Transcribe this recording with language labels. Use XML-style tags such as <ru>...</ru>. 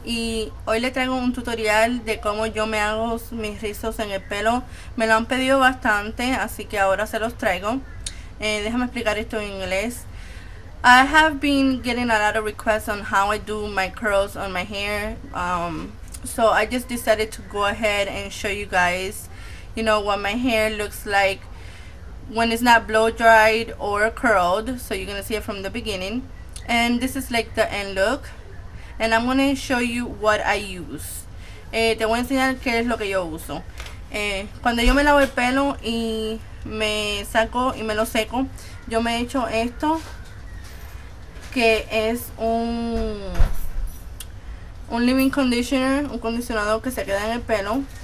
<es>Y hoy les traigo un tutorial de cómo yo me hago mis rizos en el pelo. Me lo han pedido bastante, así que ahora se los traigo. Déjame explicar esto en inglés.</es> <en>I have been getting a lot of requests on how I do my curls on my hair. So I just decided to go ahead and show you guys, what my hair looks like when it's not blow dried or curled. So you're gonna see it from the beginning. And this is like the end look. And I'm going to show you what I use.</en> <es>Te voy a enseñar qué es lo que yo uso. Cuando yo me lavo el pelo y me saco y me lo seco, yo me echo esto, que es un leave-in conditioner, un condicionador que se queda en el pelo.</es>